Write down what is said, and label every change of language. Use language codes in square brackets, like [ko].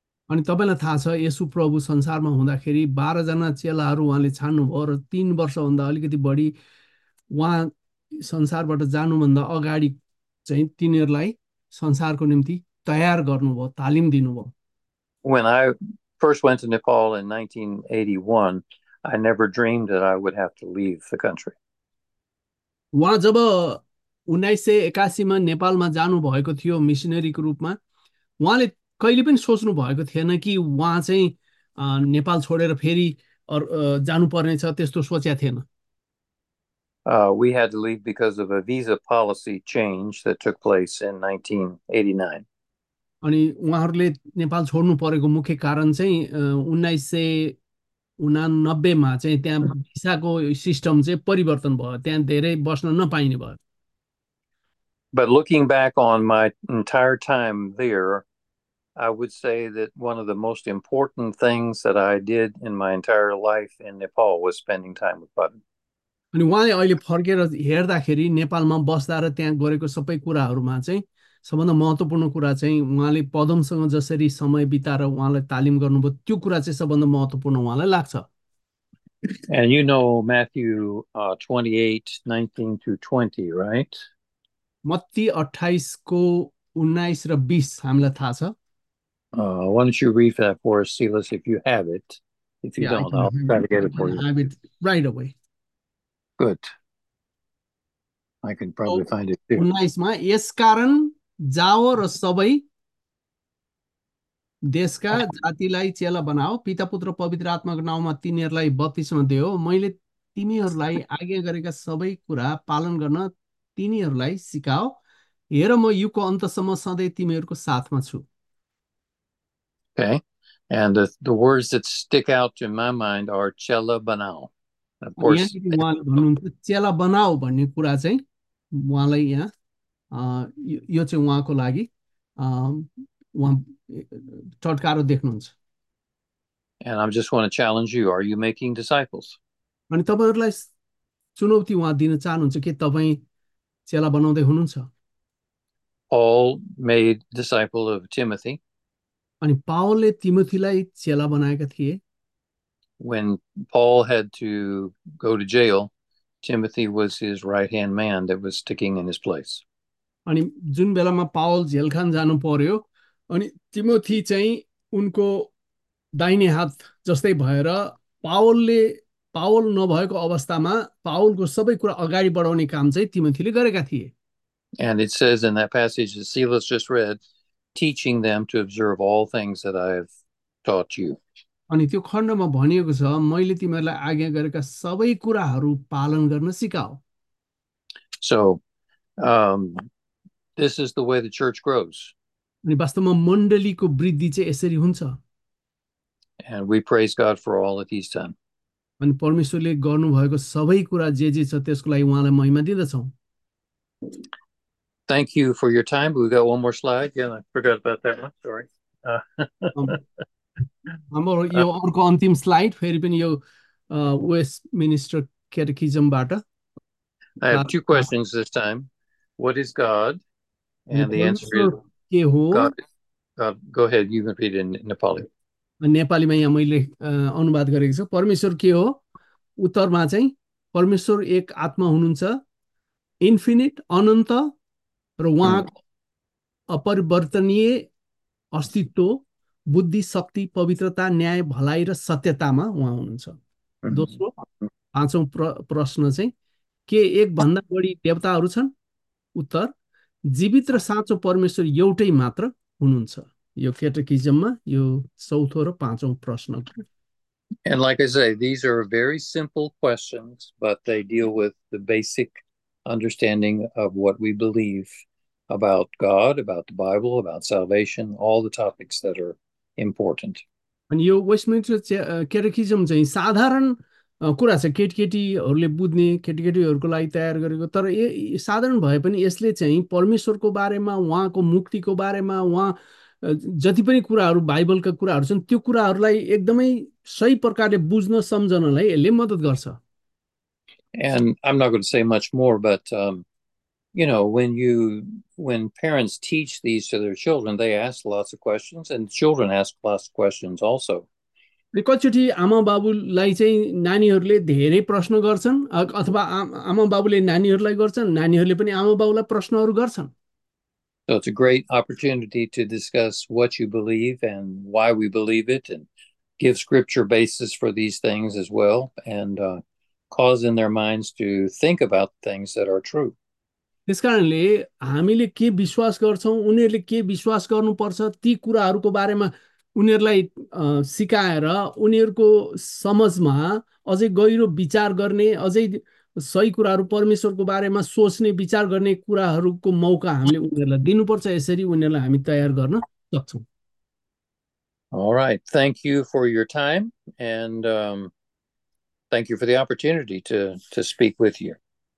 [ne] अनि तपाईँलाई थाहा छ येशु प्रभु संसारमा हुँदाखेरि 12 जना चेलाहरू उहाँले छान्नुभयो र 3 वर्षभन्दा अलिकति बढी उहाँ संसारबाट जानुभन्दा अगाडि चाहिँ तिनीहरूलाई संसारको निम्ति तयार गर्नुभयो, तालिम दिनुभयो। [en] When I first went to Nepal in 1981, I never dreamed that I would have to leave the country. [ne] उहाँ जब 1981 नेपालमा जानुभएको थियो मिसनरीको रूपमा, उहाँले कहिले पनि सोच्नु भएको थिएन कि उहाँ चाहिँ नेपाल छोडेर फेरि अरू जानुपर्नेछ, त्यस्तो सोचेको थिएन। [en] We had to leave because of a visa policy change that took place in 1989. [ne] अनि उहाँहरूले नेपाल छोड्नु परेको मुख्य कारण चाहिँ 1989 चाहिँ त्यहाँ भिसाको सिस्टम चाहिँ परिवर्तन भयो, त्यहाँ धेरै बस्न नपाइने भयो। [en] But looking back on my entire time there, I would say that one of the most important things that I did in my entire life in Nepal was spending time with Padam. [ne] अनि उहाँले अहिले फर्केर हेर्दाखेरि नेपालमा बस्दा र त्यहाँ गरेको सबै कुराहरूमा चाहिँ सबभन्दा महत्त्वपूर्ण कुरा चाहिँ उहाँले पदमसँग जसरी समय बिताएर उहाँलाई तालिम गर्नुभयो, त्यो कुरा चाहिँ सबभन्दा महत्त्वपूर्ण उहाँलाई लाग्छ। [en] And you know Matthew 28:19-20, right? [ne] Matthew 28:19 र 20 हामीलाई थाहा छ। [en] Why don't you read that for us, Silas, if you have it? If you Yeah, don't, I'll try to get it for I you. have it right away. Good. I can probably find it too. [ne] 19 यसकारण जाओ र सबै देशका जातिलाई चेला बनाओ, पिता पुत्र पवित्र आत्माको नाउँमा तिनीहरूलाई बत्तिसमा दियो, मैले तिमीहरूलाई आज्ञा गरेका सबै कुरा पालन गर्न तिनीहरूलाई सिकाओ, हेर म युगको अन्तसम्म सधैँ तिमीहरूको साथमा छु। [en] Okay, and the words that stick out to my mind are [ne] chela banao. [en] Of [ne] अनि [en] course, [ne] यहाँनिर उहाँले भन्नुहुन्छ चेला बनाऊ भन्ने कुरा चाहिँ उहाँलाई यहाँ यो चाहिँ उहाँको लागि उहाँ टटकारो देख्नुहुन्छ। [en] and I just want to challenge you, are you making disciples? [ne] अनि तपाईँहरूलाई चुनौती उहाँ दिन चाहनुहुन्छ कि तपाईँ चेला बनाउँदै हुनुहुन्छ। [en] Paul made disciple of Timothy. [ne] अनि पावलले तिमोथीलाई चेला बनाएका थिए। [en] When Paul had to go to jail, Timothy was his right-hand man that was sticking in his place. [ne] अनि जुन बेलामा पावल झेलखान जानु पर्यो अनि तिमोथी चाहिँ उनको दाहिने हात जस्तै भएर पावलले पावल नभएको अवस्थामा पावलको सबै कुरा अगाडि बढाउने काम चाहिँ तिमोथीले गरेका थिए। [en] And it says in that passage that Silas just read, teaching them to observe all things that I have taught you. [ne] अनि त्यो खण्डमा भनिएको छ, मैले तिमीहरूलाई आज्ञा गरेका सबै कुराहरू पालन गर्न सिकाऊ। [en] So, this is the way the church grows. [ne] अनि वास्तवमा मण्डलीको वृद्धि चाहिँ यसरी हुन्छ। [en] And we praise God for all that He's done. [ne] अनि परमेश्वरले गर्नुभएको सबै कुरा जे जे छ त्यसको लागि उहाँलाई महिमा दिँदछौँ। [en] Thank you for your time. We've got one more slide. Yeah, I forgot about that one. Sorry. [ne] हाम्रो यो अर्को अन्तिम स्लाइड फेरि पनि यो West minister क्याटेकिजमबाट। [en] I have two questions this time. What is God? And the answer is [ne] के हो? [en] God. Go ahead, you can read it in Nepali. [ne] नेपालीमा यहाँ मैले अनुवाद गरेको छु। परमेश्वर के हो? उत्तरमा चाहिँ परमेश्वर एक आत्मा हुनुहुन्छ, इन्फिनिट अनन्त र उहाँको अपरिवर्तनीय अस्तित्व, बुद्धि, शक्ति, पवित्रता, न्याय, भलाइ र सत्यतामा उहाँ हुनुहुन्छ। दोस्रो पाँचौँ प्रश्न चाहिँ के एक भन्दा बढी देवताहरू छन्? उत्तर, जीवित र साँचो परमेश्वर एउटै मात्र हुनुहुन्छ। यो क्याटेकिजममा यो चौथो र पाँचौँ प्रश्नको। [en] And like I say, these are very simple questions, but they deal with the basic understanding of what we believe about God, about the Bible, about salvation, all the topics that are important. [ne] अनि यो Westminster क्याटेकिजम चाहिँ साधारण कुरा छ, केटीकेटीहरूले बुझ्ने, केटीकेटीहरूको लागि तयार गरेको, तर साधारण भए पनि यसले चाहिँ परमेश्वरको बारेमा, उहाँको मुक्तिको बारेमा, उहाँ जति पनि कुराहरू बाइबलका कुराहरू छन् त्यो कुराहरूलाई एकदमै सही प्रकारले बुझ्न सम्झनलाई यसले मद्दत गर्छ। [en] And I'm not going to say much more, but you know, when parents teach these to their children, they ask lots of questions, and children ask lots of questions also. [ne] कतिचोटि आमा बाबुलाई चाहिँ नानीहरूले धेरै प्रश्न गर्छन्, अथवा आमा बाबुले नानीहरूलाई गर्छन्, नानीहरूले पनि आमा बाबुलाई प्रश्नहरू गर्छन्। [en] So it's a great opportunity to discuss what you believe and why we believe it, and give scripture basis for these things as well, and cause in their minds to think about things that are true. [ne] त्यसकारणले हामीले के विश्वास गर्छौँ, उनीहरूले के विश्वास गर्नुपर्छ, ती कुराहरूको बारेमा उनीहरूलाई सिकाएर उनीहरूको समझमा अझै गहिरो विचार गर्ने, अझै सही कुराहरू परमेश्वरको बारेमा सोच्ने, विचार गर्ने कुराहरूको मौका हामीले उनीहरूलाई दिनुपर्छ। यसरी उनीहरूलाई हामी तयार गर्न सक्छौँ। [en] All right. Thank you for your time, and thank you for the opportunity to speak with you.